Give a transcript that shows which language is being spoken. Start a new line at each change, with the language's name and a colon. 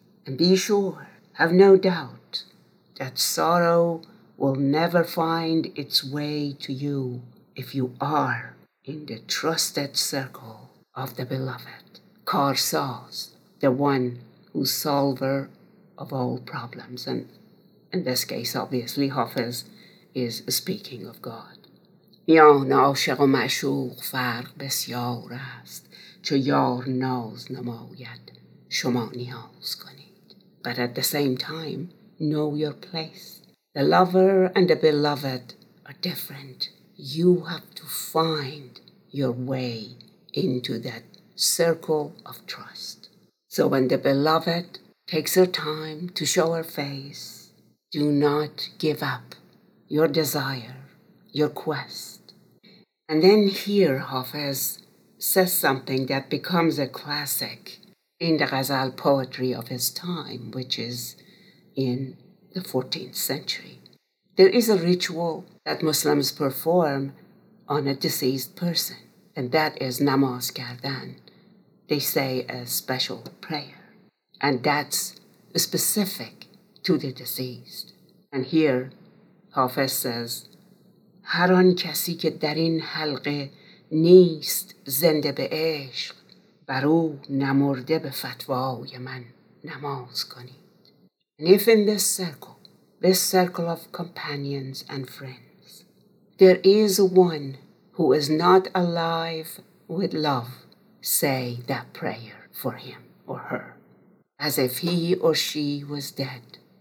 English: And be sure, have no doubt, that sorrow will never find its way to you if you are in the trusted circle of the beloved, Karsaz, the one who's solver of all problems. And in this case, obviously, Hafez is speaking of God.
Persian: میان عاشق و معشوق فرق بسیار است. چو یار ناز نماید شما نیاز کنید.
English: But at the same time, know your place. The lover and the beloved are different. You have to find your way into that circle of trust. So when the beloved takes her time to show her face, do not give up your desire, your quest. And then here Hafez says something that becomes a classic in the Ghazal poetry of his time, which is in the 14th century. There is a ritual that Muslims perform on a deceased person, and that is Namaz Kardan. They say a special prayer, and that's specific to the deceased. And here, Hafez says,
Persian: هر آن کسی که در این حلقه نیست زنده به عشق بر او نمرده به فتوای من نماز کنید.
English: And if in this circle of companions and friends, there is one who is not alive with love, say that prayer for him or her, as if he or she was dead.